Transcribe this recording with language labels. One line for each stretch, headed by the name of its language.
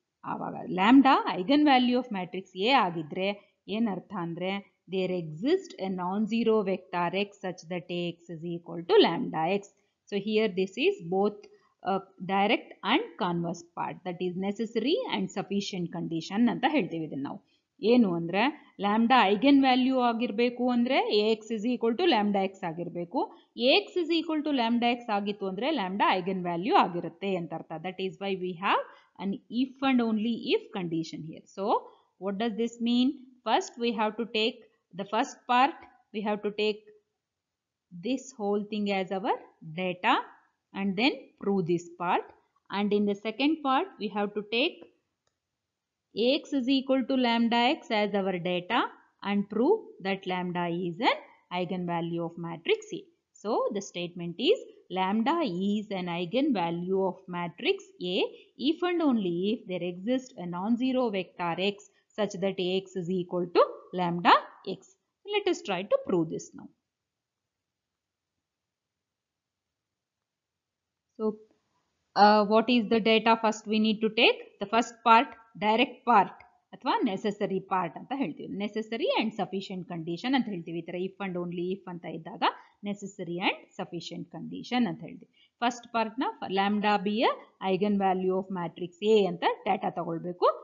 Kannada: Avaga
English: lambda eigenvalue of matrix A
Kannada: agidre en artha andre,
English: there exists a non-zero vector x such that Ax is equal to lambda x. So here this is both direct and converse part, that is necessary and sufficient condition anta heltivi now.
Kannada: ಏನು ಅಂದರೆ lambda eigen value ಆಗಿರಬೇಕು ಅಂದರೆ A X is equal to lambda X ಆಗಿರಬೇಕು. A X is equal to lambda X ಆಗಿತ್ತು ಅಂದರೆ lambda eigen value ಆಗಿರುತ್ತೆ ಅಂತ ಅರ್ಥ.
English: That is why we have an if and only if condition here. So what does this mean? First we have to take the first part, we have to take this whole thing as our data and then prove this part. And in the second part we have to take ax is equal to lambda x as our data and prove that lambda is an eigenvalue of matrix A. So the statement is lambda is an eigenvalue of matrix A if and only if there exists a non-zero vector x such that ax is equal to lambda x. Let us try to prove this now. So what is the data first we need to take? The first part,
Kannada: direct part ಅಥವಾ necessary part ಅಂತ ಹೇಳ್ತೀವಿ. Necessary and sufficient condition ಅಂತ ಹೇಳ್ತೀವಿ. ಈ ಥರ if and only if ಅಂತ ಇದ್ದಾಗ necessary and sufficient condition ಅಂತ ಹೇಳ್ತೀವಿ. ಫಸ್ಟ್ ಪಾರ್ಟ್ನ ಲ್ಯಾಮ್ಡಾ ಬಿ ಯ eigen value of matrix A ಅಂತ ಡೇಟಾ ತಗೊಳ್ಬೇಕು.